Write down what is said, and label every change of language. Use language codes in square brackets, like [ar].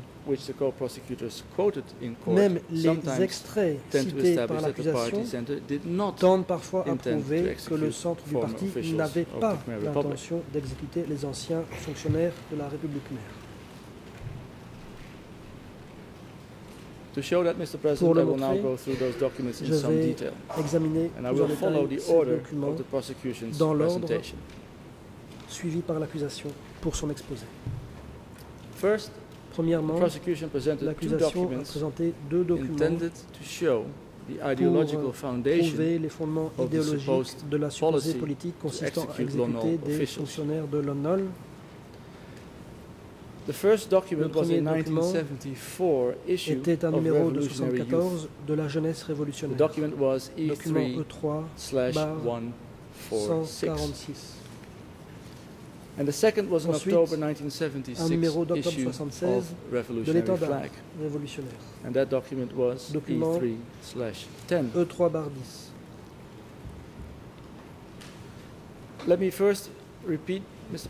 [en] Which the co-prosecutors quoted in court, [fr] même les extraits cités par l'accusation tendent parfois à prouver que le centre du parti n'avait pas l'intention d'exécuter les anciens fonctionnaires de la République Khmer. [en] To show that, Mr. President, [fr] pour le montrer, [en] I will now go through those documents in [fr] je vais [en] some detail. [fr] Examiner [en] and I will follow the order of the prosecution's [fr] dans l'ordre suivi par l'accusation pour son exposé. [en] First, [fr] premièrement, l'accusation a présenté deux documents pour prouver les fondements idéologiques de la supposée politique consistant à exécuter des fonctionnaires de l'ONOL. Le premier document était un numéro de 1974 de la jeunesse révolutionnaire, document E3/146. [en] And the second was an October 1976 issue of Revolutionary Flag. And that document was E3/10. Let me first repeat, Mr.